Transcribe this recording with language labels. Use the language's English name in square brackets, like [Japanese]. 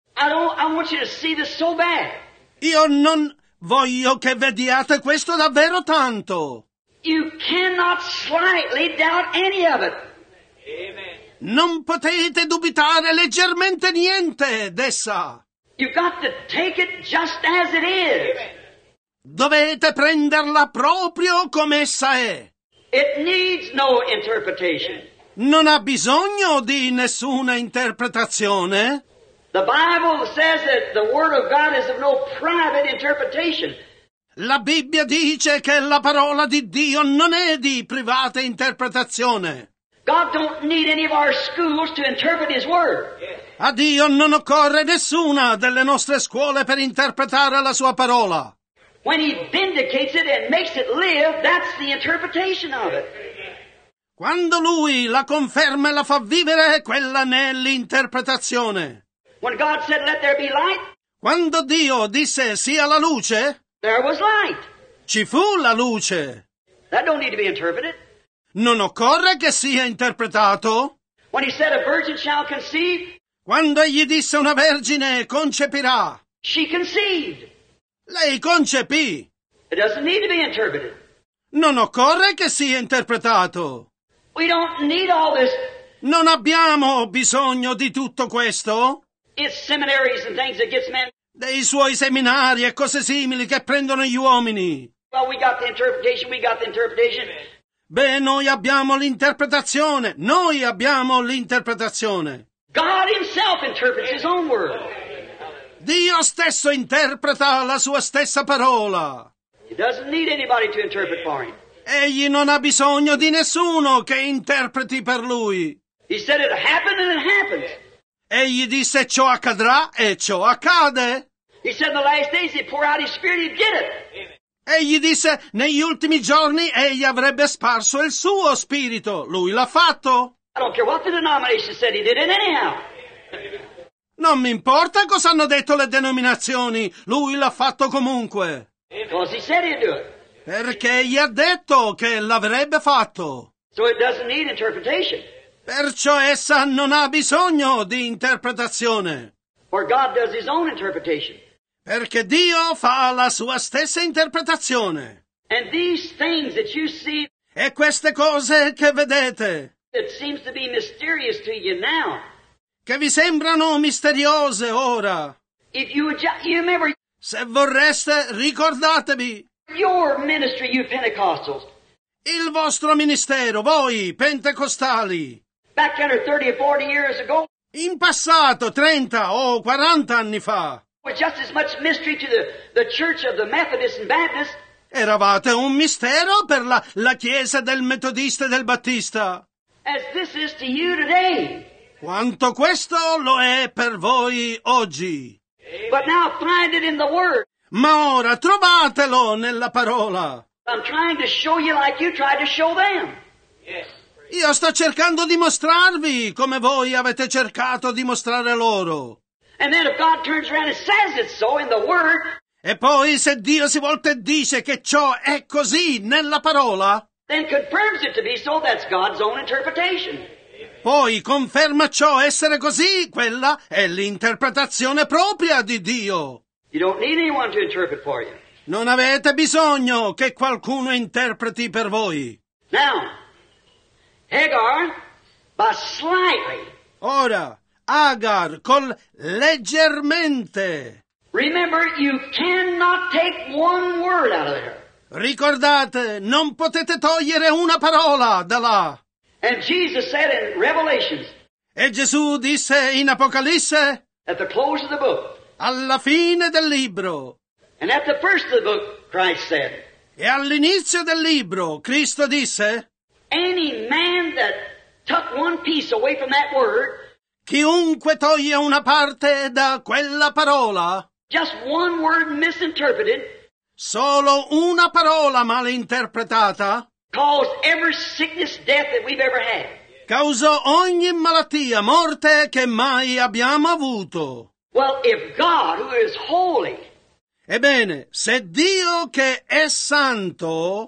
[English] I want you to see this so bad. [Italian] Io non voglio che vediate questo davvero tanto. [English] You cannot slightly doubt any of it. Amen. [Italian] Non potete dubitare leggermente niente d'essa. [English] You've got to take it just as it is. Amen. [Italian] Dovete prenderla proprio come essa è. [English] It needs no interpretation. [Italian] Non ha bisogno di nessuna interpretazione. [English] The Bible says that the Word of God is of no private interpretation. [Italian] La Bibbia dice che la parola di Dio non è di privata interpretazione. [English] God don't need any of our schools to interpret His Word. [Italian] A Dio non occorre nessuna delle nostre scuole per interpretare la Sua parola. [English] When He vindicates it and makes it live, that's the interpretation of it. [Italian] Quando Lui la conferma e la fa vivere, quella ne è l'interpretazione. [English] When God said, "Let there be light," [Italian] quando Dio disse, "Sia la luce," [English] there was light. [Italian] Ci fu la luce. [English] That don't need to be interpreted. [Italian] Non occorre che sia interpretato. [English] When He said, "A virgin shall conceive," [Italian] quando Egli disse, "Una vergine concepirà," [English] she conceived. [Italian] Lei concepì. [English] It doesn't need to be interpreted. [Italian] Non occorre che sia interpretato. [English] We don't need all this. [Italian] Non abbiamo bisogno di tutto questo. [English] It's seminaries and things that gets men. [Italian] Dei suoi seminari e cose simili che prendono gli uomini. [English] Well, we got the interpretation, we got the interpretation. [Italian] Beh, noi abbiamo l'interpretazione. Noi abbiamo l'interpretazione. [English] God himself interprets his own word. [Italian] Dio stesso interpreta la sua stessa parola. [English] He doesn't need anybody to interpret for him. [Italian] Egli non ha bisogno di nessuno che interpreti per lui. [English] He said it happened and it happens. [Italian] Egli disse ciò accadrà e ciò accade. [English] He said in the last days he'd pour out his spirit, he'd get it. [Italian] Egli disse negli ultimi giorni egli avrebbe sparso il suo spirito. Lui l'ha fatto. [English] I don't care what the denomination said, he did it anyhow. [Italian] Non mi importa cosa hanno detto le denominazioni, lui l'ha fatto comunque. [English] Because he said he'd do it. [Italian] Perché gli ha detto che l'avrebbe fatto. [English] So it doesn't need interpretation. [Italian] Perciò essa non ha bisogno di interpretazione. [English] For God does his own interpretation. [Italian] Perché Dio fa la sua stessa interpretazione. [English] And these things that you see, [Italian] e queste cose che vedete, [English] it seems to be mysterious to you now, [Italian] che vi sembrano misteriose ora. [English] If you would just, you remember, [Italian] se vorreste, ricordatevi. [English] Your ministry, you Pentecostals. [Italian] Il vostro ministero, voi pentecostali. [English] Back 30 or 40 years ago. [Italian] In passato, 30 o 40 anni fa. [English] With just as much mystery to the church of the Methodists and Baptists. [Italian] Eravate un mistero per la chiesa del metodista e del battista. [English] As this is to you today. [Italian] Quanto questo lo è per voi oggi. [English] But now find it in the Word. [Italian] Ma ora trovatelo nella parola. [English] I'm trying to show you like you tried to show them. [Italian] Io sto cercando di mostrarvi come voi avete cercato di mostrare loro. [English] And then if God turns around and says it's so in the Word. [Italian] E poi se Dio si volta e dice che ciò è così nella parola. [English] Then confirms it to be so, that's God's own interpretation. [Italian] Poi conferma ciò essere così, quella è l'interpretazione propria di Dio. [English] You don't need anyone to interpret for you. [Italian] Non avete bisogno che qualcuno interpreti per voi. [English] Now, Hagar, by slightly. [Italian] Ora, Agar, col leggermente. [English] Remember, you cannot take one word out of there. [Italian] Ricordate, non potete togliere una parola da là. [English] And Jesus said in Revelations. [Italian] E Gesù disse in Apocalisse. [English] At the close of the book. [Italian] Alla fine del libro. [English] And at the first of the book, Christ said. [Italian] E all'inizio del libro, Cristo disse. [English] Any man that took one piece away from that word. [Italian] Chiunque toglie una parte da quella parola. [English] Just one word misinterpreted. [Italian] Solo una parola malinterpretata. [English] Caused every sickness, death that we've ever had. [Italian] Causò ogni malattia, morte che mai abbiamo avuto. [English] Well, if God, who is holy, [Italian] ebbene, se Dio che è santo,